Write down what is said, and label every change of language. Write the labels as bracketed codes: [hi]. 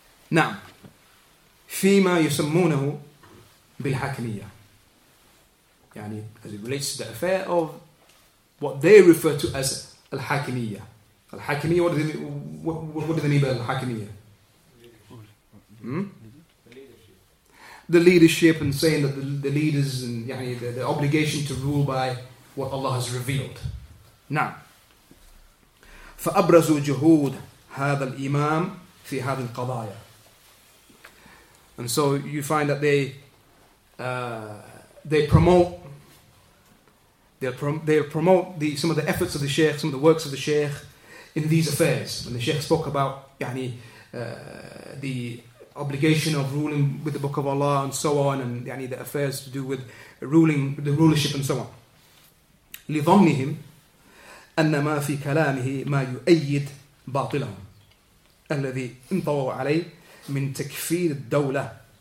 [en] Now, [ar] فيما يسمونه بالحاكمية, يعني [en] as it relates to the affair of what they refer to as الحاكمية. الحاكمية, what do they mean by الحاكمية? The leadership and saying that the leaders and [ar] يعني [en] the obligation to rule by what Allah has revealed. Now, [ar] فأبرز جهود هذا الإمام في هذه القضايا. [en] And so you find that they promote the some of the efforts of the Sheikh, some of the works of the Sheikh in these affairs. When the Sheikh spoke about [ar] يعني [en] the obligation of ruling with the Book of Allah and so on, and يعني the affairs to do with ruling, the rulership and so on. [ar] لظنهم أن ما في كلامه ما يؤيد باطلهم الذي انطوى عليه من تكفير الدولة.